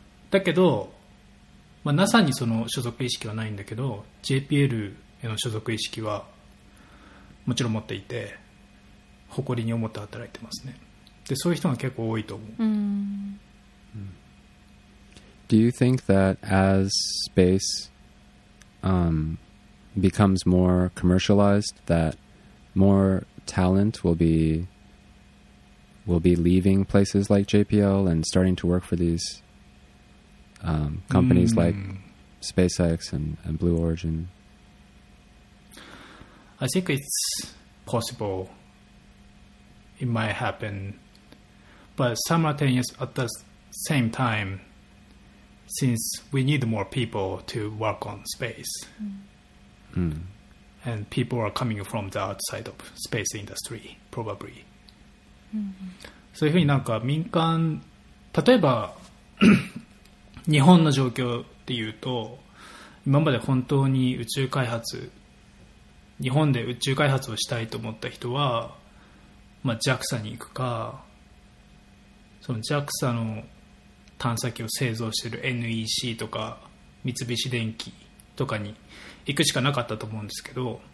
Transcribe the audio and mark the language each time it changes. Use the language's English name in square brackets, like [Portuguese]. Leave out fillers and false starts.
[Japanese] だけど、まあ、NASA にその所属意識はないんだけど JPLの所属意識はもちろん持っていて誇りに思って働いてますね。でそういう人が結構多いと思う。うん。 [English] Do you think that as space becomes more commercialized, that more talent will be leaving places like JPL and starting to work for these companies、うん、like SpaceX and Blue Origin? I think it's possible. It might happen. But simultaneously, at the same time, since we need more people to work on space,、 mm. and people are coming from the outside of space industry, probably.、 Mm-hmm. [Japanese] そういうふうになんか民間、例えば日本の状況っていうと、今まで本当に宇宙開発日本で宇宙開発をしたいと思った人は、まあ、JAXA に行くかその JAXA の探査機を製造している NEC とか三菱電機とかに行くしかなかったと思うんですけど、